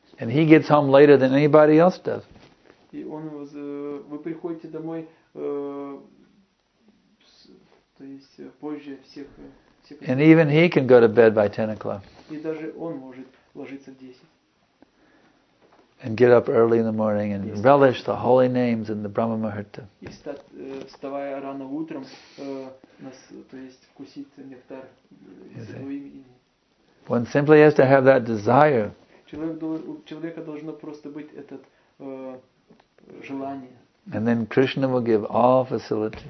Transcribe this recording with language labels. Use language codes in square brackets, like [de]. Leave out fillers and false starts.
[en] And he gets home later than anybody else does. [ru] И он вы приходите домой, то есть позже всех. [en] And even he can go to bed by 10 o'clock. [ru] И даже он может ложиться в 10. [en] And get up early in the morning and relish the holy names in the Brahma Muhurta. [ru] И вставая рано утром, то есть вкусить нектар из его имени. [en] One simply has to have that desire. [ru] Человека должно просто быть этот желание. [en] And then Krishna will give all facility.